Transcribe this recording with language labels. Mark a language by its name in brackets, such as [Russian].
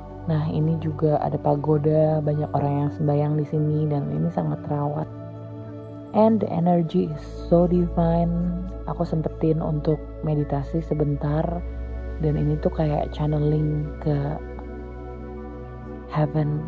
[Indonesian] Nah, ini juga ada pagoda, banyak orang yang sembahyang di sini, dan ini sangat terawat. [English] And the energy is so divine. [Indonesian] Aku sempetin untuk meditasi sebentar, dan ini tuh kayak channeling ke heaven.